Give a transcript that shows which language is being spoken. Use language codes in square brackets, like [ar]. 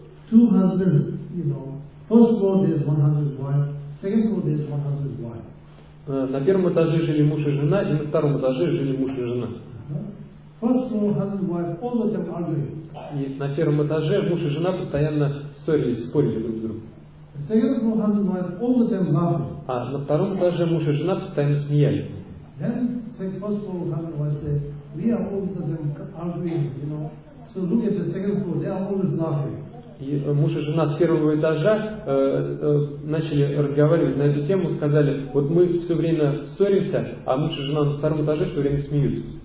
[en] Two husbands, you know, first floor there is one husband's wife, second floor there is one husband's wife. [ru] На первом этаже жили муж и жена, и на втором этаже жили муж и жена. [en] First floor husband and wife always have arguing. [ru] И на первом этаже муж и жена постоянно ссорились, спорили друг с другом. [en] The second floor husband and wife all the time laughing. [ru] А на втором этаже муж и жена постоянно смеялись. [en] Then second first floor husband and wife said, we are always the arguing, you know. So look at the second floor, they are always laughing. [ru] И муж и жена с первого этажа начали разговаривать на эту тему, сказали, вот мы все время ссоримся, а муж и жена на втором этаже все время смеются.